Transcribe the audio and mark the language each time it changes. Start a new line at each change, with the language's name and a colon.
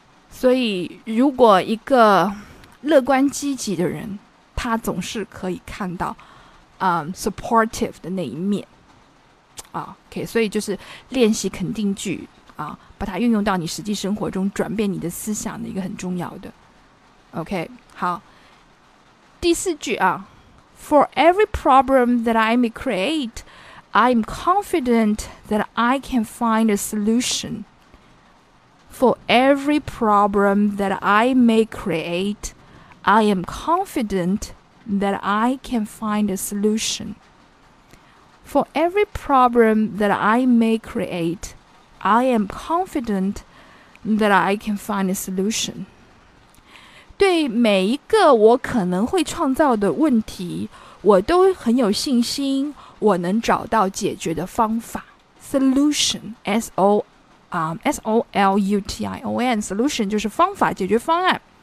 Chinese: 所以如果一个乐观积极的人，他总是可以看到supportive 的那一面啊。 OK， 所以就是练习肯定句啊，把它运用到你实际生活中，转变你的思想的一个很重要的。 OK， 好，第四句啊。
English: For every problem that I may create, I'm confident that I can find a solution. For every problem that I may create, I am confident that I can find a solution. For every problem that I may create, I am confident that I can find a solution.
Chinese: 对每一个我可能会创造的问题，我都很有信心，我能找到解决的方法。 Solution, S-O-L-U-T-I-O-N, solution 就是方法，解决方案。